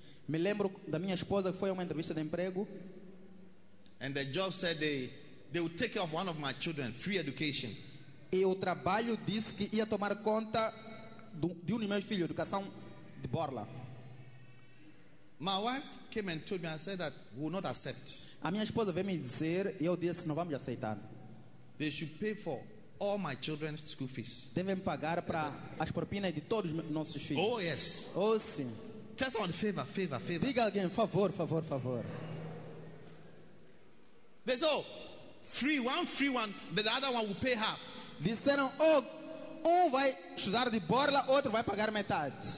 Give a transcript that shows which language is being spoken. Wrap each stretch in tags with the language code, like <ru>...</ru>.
<pt>Me lembro da minha esposa que foi a uma entrevista de emprego.</pt> <en>And the job said they would take care of one of my children, free education.</en> <pt>E o trabalho disse que ia tomar conta de um dos meus filhos, educação de borla.</pt> <en>My wife came and told me, I said that we will not accept.</en> <pt>A minha esposa veio me dizer, e eu disse, não vamos aceitar.</pt> <en>They should pay for all my children's school fees.</en> <pt>Devem pagar para as propinas de todos os nossos filhos.</pt> <en>Oh, yes.</en> <pt>Oh, sim.</pt> <en>Just on favor, favor, favor.</en> <pt>Diga alguém, favor, favor, favor.</pt> <en>They said, oh, free one, but the other one will pay half.</en> <pt>Disseram, oh, um vai estudar de borla, outro vai pagar metade.</pt>